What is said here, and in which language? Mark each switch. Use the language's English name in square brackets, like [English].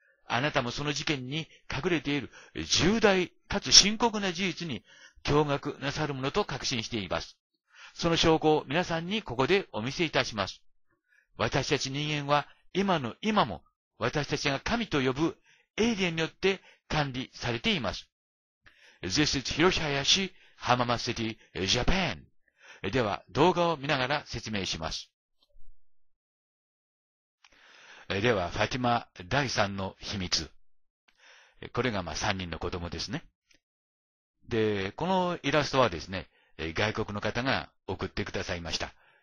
[Japanese] あなたもその事件に隠れている重大かつ深刻な事実に驚愕なさるものと確信しています。その証拠を皆さんにここでお見せいたします。私たち人間は今の今も私たちが神と呼ぶエイリアンによって管理されています。 [English] This is Hiroshi Hayashi, Hamama City, Japan. [Japanese] では動画を見ながら説明します。では、ファティマ第3の秘密。これが、まあ、3人の子供ですね。で、このイラストはですね、外国の方が送ってくださいました。